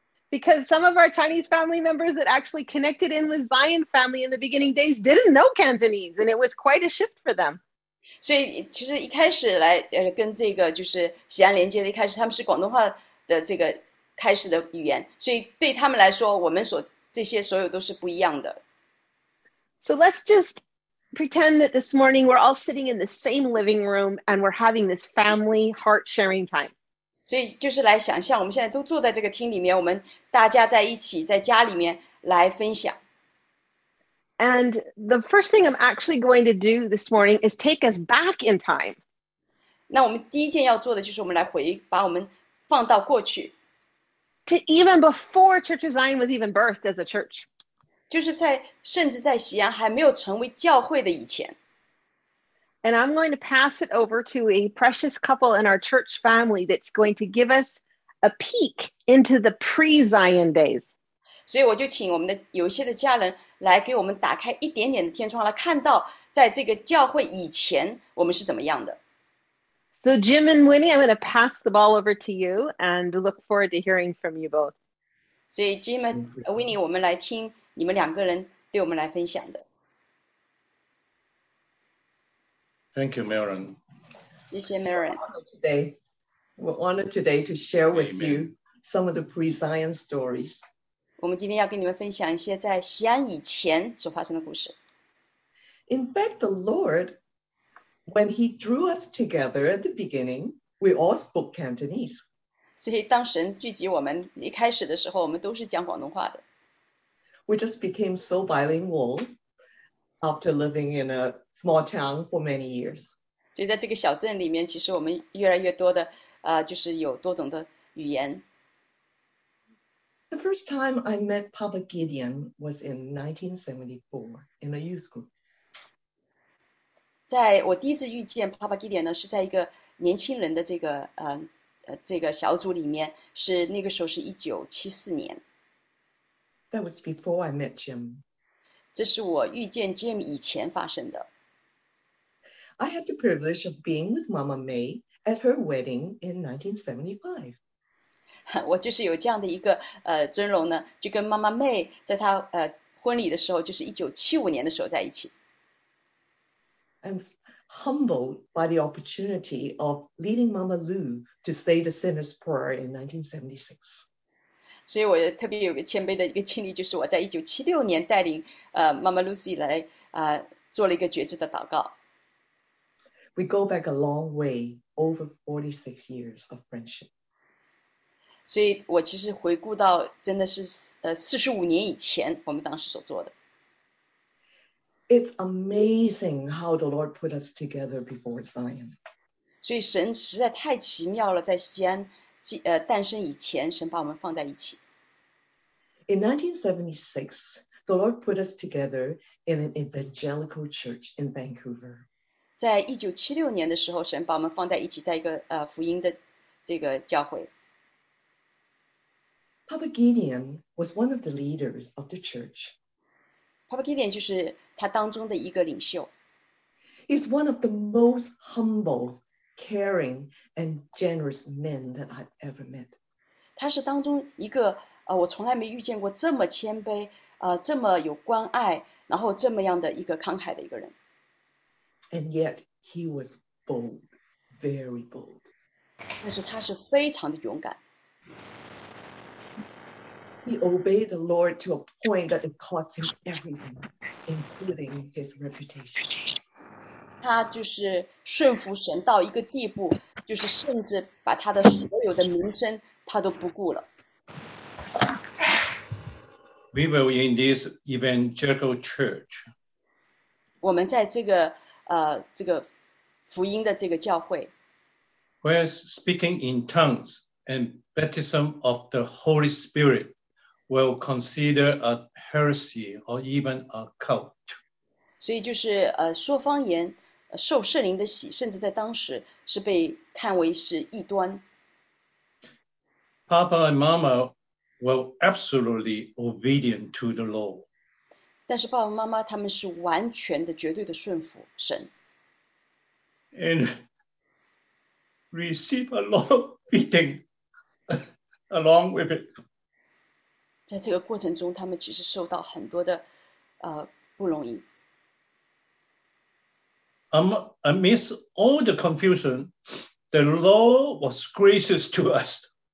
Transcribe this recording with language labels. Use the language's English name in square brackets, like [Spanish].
[English] Because some of our Chinese family members that actually connected in with Zion family in the beginning days didn't know Cantonese, and it was quite a shift for them. [Chinese] 所以其实一开始来跟这个就是西安连接的一开始，他们是广东话的这个开始的语言，所以对他们来说，我们所这些所有都是不一样的。 [English] So let's just pretend that this morning we're all sitting in the same living room and we're having this family heart sharing time. [Chinese] 所以就是来想象，我们现在都坐在这个厅里面，我们大家在一起在家里面来分享。 [English] And the first thing I'm actually going to do this morning is take us back in time. [Chinese] 那我们第一件要做的就是我们来回，把我们放到过去。 [English] To even before Church of Zion was even birthed as a church. [Chinese] 就是在甚至在西安还没有成为教会的以前。 [English] And I'm going to pass it over to a precious couple in our church family that's going to give us a peek into the pre-Zion days. [Chinese] 所以我就请我们的有些的家人来给我们打开一点点的天窗，来看到在这个教会以前我们是怎么样的。 [English] So Jim and Winnie, I'm going to pass the ball over to you and look forward to hearing from you both. [Chinese] 所以 Jim and Winnie, 我们来听你们两个人对我们来分享的。 [English] Thank you, Maren. [Chinese] 谢谢 Maren. [English] We're honored today to share with you some of the pre-Zion stories. [Chinese] 我们今天要跟你们分享一些在西安以前所发生的故事。 [English] In fact, the Lord, when he drew us together at the beginning, we all spoke Cantonese. [Chinese] 所以当神聚集我们一开始的时候，我们都是讲广东话的。 [English] We just became so bilingual. After living in a small town for many years. [Chinese] 所以在这个小镇里面，其实我们越来越多的，就是有多种的语言。 [English] The first time I met Papa Gideon was in 1974 in a youth group. [Chinese] 在我第一次遇见 Papa Gideon 呢，是在一个年轻人的这个小组里面，是那个时候是1974年。 [English] That was before I met Jim. [Chinese] 这是我遇见 Jim 以前发生的。 [English] I had the privilege of being with Mama May at her wedding in 1975. [Chinese] 我就是有这样的一个尊荣呢，就跟妈妈 May 在她婚礼的时候，就是1975年的时候在一起。 [English] I'm humbled by the opportunity of leading Mama Lou to say the sinner's prayer in 1976. [Chinese] 所以我也特别有个谦卑的一个经历，就是我在1976年带领妈妈 Lucy 来做了一个觉知的祷告。 [English] We go back a long way, over 46 years of friendship. [Chinese] 所以我其实回顾到，真的是45年以前，我们当时所做的。 [English] It's amazing how the Lord put us together before Zion. [Chinese] 所以神实在太奇妙了，在西安诞生以前，神把我们放在一起。 [English] In 1976, the Lord put us together in an evangelical church in Vancouver. [Chinese] 在1976年的时候，神把我们放在一起，在一个福音的这个教会。 [English] Papa Gideon was one of the leaders of the church. [Chinese] Papa Gideon 就是他当中的一个领袖。 [English] He's one of the most humble, caring, and generous men that I've ever met. [Chinese] 他是当中一个我从来没遇见过这么谦卑这么有关爱，然后这么样的一个慷慨的一个人。 [English] And yet he was bold, very bold. [Chinese] 但是他是非常的勇敢。 [English] He obeyed the Lord to a point that it cost him everything, including his reputation. [Chinese] 他就是顺服神到一个地步，就是甚至把他的所有的名声他都不顾了。 [English] We were in this evangelical church. [Chinese] 我们在这个。这个福音的这个教会 [English] Where speaking in tongues and baptism of the Holy Spirit will consider a heresy or even a cult. [Chinese] 所以就是说方言受圣灵的洗，甚至在当时是被看为是异端。 [English] Papa and Mama were absolutely obedient to the law. [Chinese] 但是爸爸妈妈他们是完全的、绝对的顺服神。 [English] And receive a lot of beating along with it. [Chinese] 在这个过程中，他们其实受到很多的，不容易。 [English] Amidst all the confusion, the Lord was gracious to us.